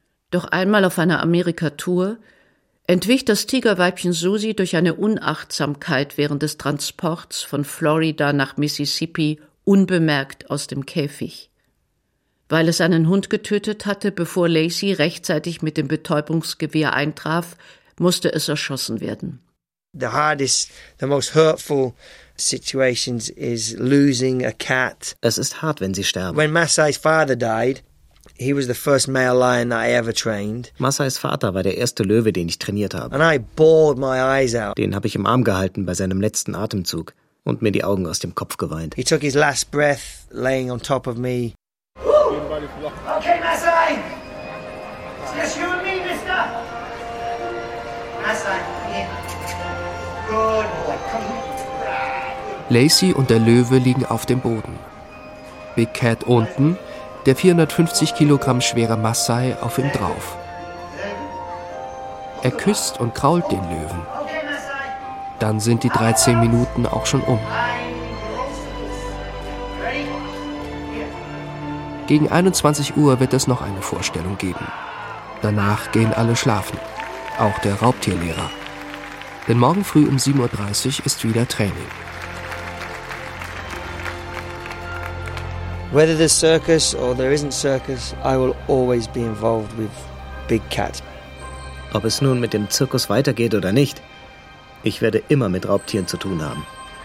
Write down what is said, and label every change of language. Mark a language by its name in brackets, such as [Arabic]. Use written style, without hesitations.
[German] Doch einmal auf einer Amerika-Tour entwich das Tigerweibchen Susi durch eine Unachtsamkeit während des Transports von Florida nach Mississippi unbemerkt aus dem Käfig. Weil es einen Hund getötet hatte, bevor Lacey rechtzeitig mit dem Betäubungsgewehr eintraf, musste es erschossen werden. [English] The hardest, the most hurtful situations is losing a cat. [German] Es ist hart, wenn sie sterben. [English] When Masai's father died, he was the first male lion that I ever trained. [German] Masai's Vater war der erste Löwe, den ich trainiert habe. [English] And I bawled my eyes out. [German] Den habe ich im Arm gehalten bei seinem letzten Atemzug und mir die Augen aus dem Kopf geweint. [English] He took his last breath laying on top of me. Okay, Masai. It's just you and me, mister. Masai, yeah. Good boy. Come here. [German] Lacey und der Löwe liegen auf dem Boden. Big Cat unten, der 450 Kilogramm schwere Masai auf ihm drauf. Er küsst und krault den Löwen. Dann sind die 13 Minuten auch schon um. Gegen 21 Uhr wird es noch eine Vorstellung geben. Danach gehen alle schlafen, auch der Raubtierlehrer. Denn morgen früh um 7.30 Uhr ist wieder Training. [English] Whether there's circus or there isn't circus, I will always be involved with Big Cat. [German] Ob es nun mit dem Zirkus weitergeht oder nicht, ich werde immer mit Raubtieren zu tun haben.